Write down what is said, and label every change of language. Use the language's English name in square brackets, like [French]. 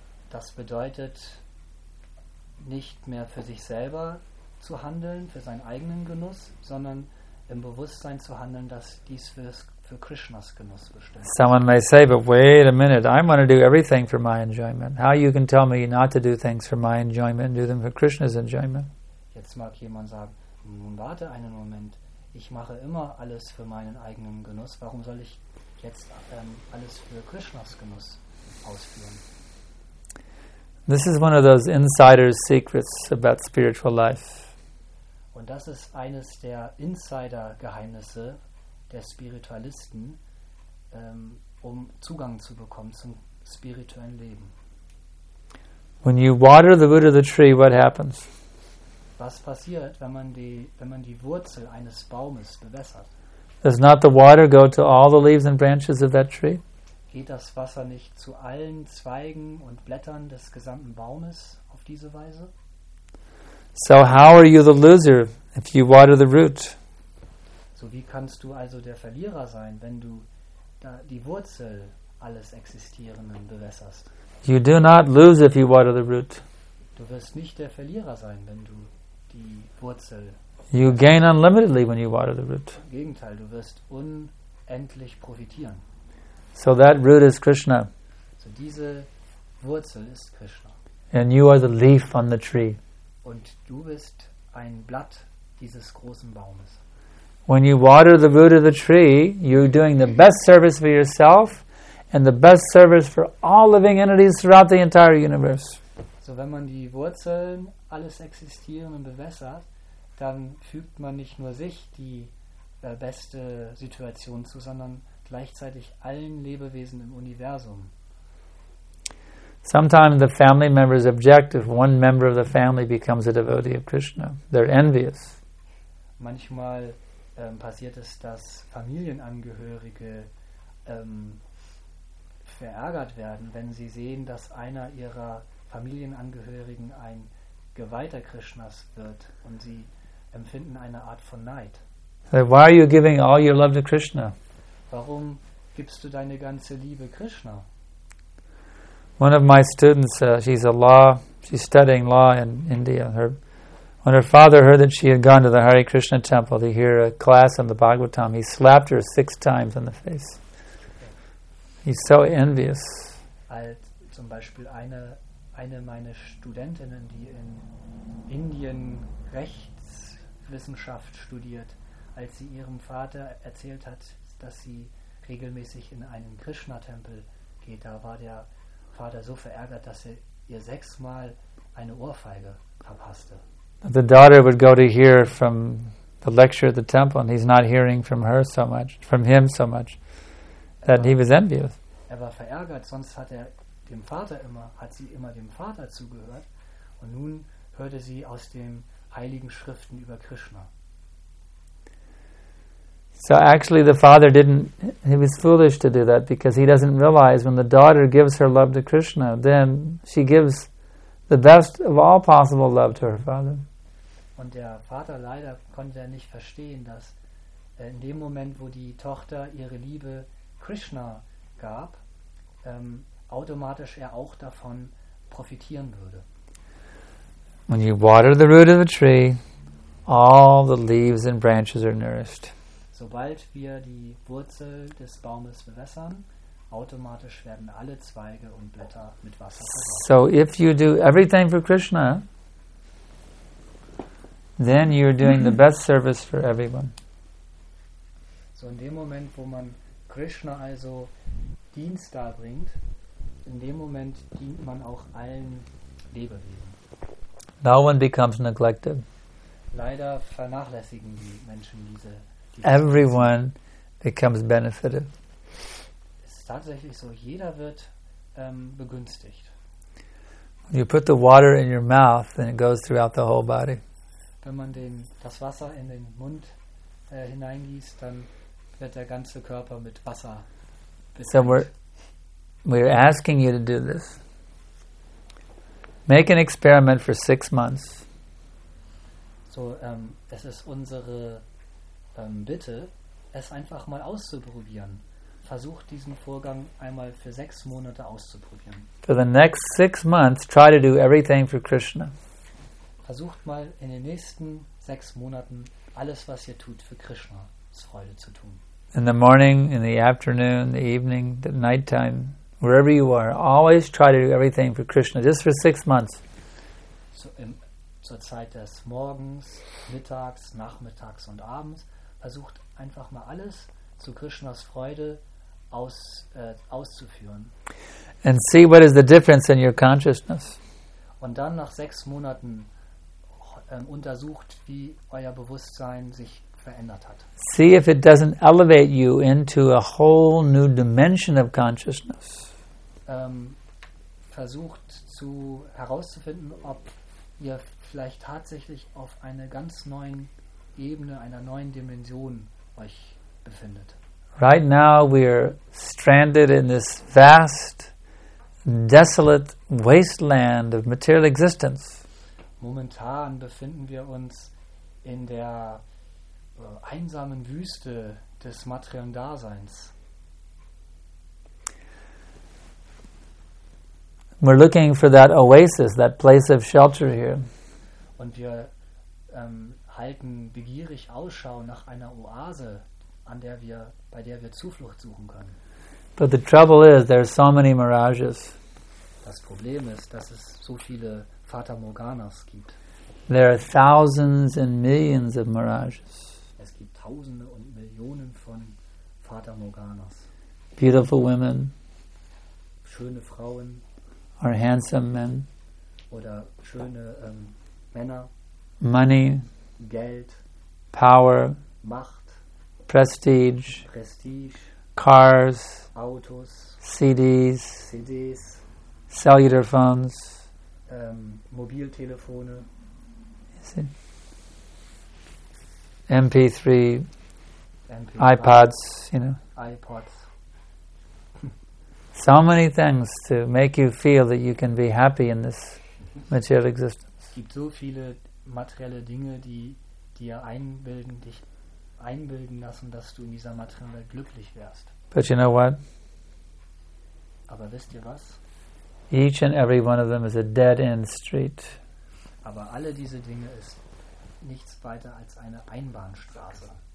[German] Das bedeutet, nicht mehr für sich selber zu handeln, für seinen eigenen Genuss, sondern im Bewusstsein zu handeln, dass dies für Krishnas Genuss bestimmt. [English] Someone may say, but wait a minute, I want to do everything for my enjoyment. How you can tell me not to do things for my enjoyment and do them for Krishna's enjoyment? [German] Jetzt mag jemand sagen, nun warte einen Moment, ich mache immer alles für meinen eigenen Genuss, warum soll ich jetzt alles für Krishnas Genuss ausführen? [English] This is one of those insider secrets about spiritual life. [German] Und das ist eines der Insider-Geheimnisse der Spiritualisten, um Zugang zu bekommen zum spirituellen Leben. [English] When you water the root of the tree, what happens? [German] Was passiert, wenn man die Wurzel eines Baumes bewässert? [English] Does not the water go to all the leaves and branches of that tree? [German] Geht das Wasser nicht zu allen Zweigen und Blättern des gesamten Baumes auf diese Weise? [English] So how are you the loser if you water the root? [German] So wie kannst du also der Verlierer sein, wenn du da die Wurzel alles Existierenden bewässerst? [English] You do not lose if you water the root. [German] Du wirst nicht der Verlierer sein, wenn du die Wurzel. [English] You gain unlimitedly when you water the root. [German] Im Gegenteil, du wirst unendlich profitieren. [English] So that root is Krishna. [German] So diese Wurzel ist Krishna. [English] And you are the leaf on the tree. [German] Und du bist ein Blatt dieses großen Baumes. [English] When you water the root of the tree, you're doing the best service for yourself and the best service for all living entities throughout the entire universe. [German] So wenn man die Wurzeln alles Existierenden bewässert, dann fügt man nicht nur sich die beste Situation zu, sondern gleichzeitig allen Lebewesen im Universum. [English] Sometimes the family members object if one member of the family becomes a devotee of Krishna. They're envious. [German] Manchmal passiert es, dass Familienangehörige verärgert werden, wenn sie sehen, dass einer ihrer Familienangehörigen ein Geweihter Krishnas wird, und sie empfinden eine Art von Neid. [English] Why are you giving all your love to Krishna? [German] Warum gibst du deine ganze Liebe Krishna? [English] One of my students, she's studying law in India. When her father heard that she had gone to the Hare Krishna temple to hear a class on the Bhagavatam, he slapped her 6 times in the face. He's so envious. [German] Als zum Beispiel eine meiner Studentinnen, die in Indien Rechtswissenschaft studiert, als sie ihrem Vater erzählt hat, dass sie regelmäßig in einen Krishna-Tempel geht, da war der Vater so verärgert, dass er ihr 6 Mal eine Ohrfeige verpasste. [English] The daughter would go to hear from the lecture at the temple, and he's not hearing from him so much, that he was envious. [German] Er war verärgert, sonst hat sie immer dem Vater zugehört, und nun hörte sie aus den heiligen Schriften über Krishna. [English] So actually the father he was foolish to do that, because he doesn't realize when the daughter gives her love to Krishna, then she gives the best of all possible love to her father. [German] Und der Vater leider konnte er nicht verstehen, dass in dem Moment, wo die Tochter ihre Liebe Krishna gab, automatisch er auch davon profitieren würde. [English] When you water the root of the tree, all the leaves and branches are nourished. [German] Sobald wir die Wurzel des Baumes bewässern, automatisch werden alle Zweige und Blätter mit Wasser versorgt. [English] So if you do everything for Krishna, then you're doing the best service for everyone. [German] So in dem Moment, wo man Krishna also Dienst darbringt, in dem Moment dient man auch allen Lebewesen. [English] No one becomes neglected. [German] Leider vernachlässigen die Menschen diese. [English] Everyone becomes benefited. [German] Es ist tatsächlich so, jeder wird begünstigt. [English] When you put the water in your mouth, then it goes throughout the whole body. [German] Wenn man das Wasser in den Mund hineingießt, dann wird der ganze Körper mit Wasser befüllt. [English] So we're asking you to do this. Make an experiment for 6 months. [German] So es ist unsere bitte, es einfach mal auszuprobieren. Versucht diesen Vorgang einmal für 6 Monate auszuprobieren. [English] For the next 6 months, try to do everything for Krishna. [German] Versucht mal in den nächsten 6 Monaten alles, was ihr tut, für Krishnas Freude zu tun. [English] In the morning, in the afternoon, the evening, the nighttime, wherever you are, always try to do everything for Krishna, just for 6 months. [German] So zur Zeit des Morgens, Mittags, Nachmittags und Abends, versucht einfach mal alles zu Krishnas Freude auszuführen. [English] And see what is the difference in your consciousness. [German] und dann nach 6 Monaten untersucht, wie euer Bewusstsein sich verändert hat. [English] See if it doesn't elevate you into a whole new dimension of consciousness. [German] Versucht zu herauszufinden, ob ihr vielleicht tatsächlich auf einer ganz neuen Ebene, einer neuen Dimension euch befindet. [English] Right now we are stranded in this vast, desolate wasteland of material existence. [German] Momentan befinden wir uns in der einsamen Wüste des materiellen Daseins. [English] We're looking for that oasis, that place of shelter here. [German] Und wir halten begierig Ausschau nach einer Oase, bei der wir Zuflucht suchen können. [English] But the trouble is, there are so many mirages. [German] Das Problem ist, dass es so viele Fata Morganas gibt. [English] There are thousands and millions of mirages. [German] Es gibt Tausende und Millionen von Fata Morganas. [English] Beautiful women. [German] Schöne Frauen. [English] Or handsome men. [German] Oder schöne Männer. [English] Money. [German] Geld. [English] Power. [German] Macht. [English] Prestige. [German] Prestige. [English] Cars. [German] Autos. [English] CDs. [German] CDs. [English] Cellular phones. [German] Mobiltelefone. [English] MP3. iPods, you know. [German] iPods. [English] So many things to make you feel that you can be happy in this material existence. [German] Es gibt so viele materielle Dinge, die dir einbilden, dich einbilden lassen, dass du in dieser materiellen Welt glücklich wärst. [English] But you know what? [German] Aber wisst ihr was? [English] Each and every one of them is a dead end street. [German] Aber alle diese Dinge ist nichts weiter als eine Einbahnstraße.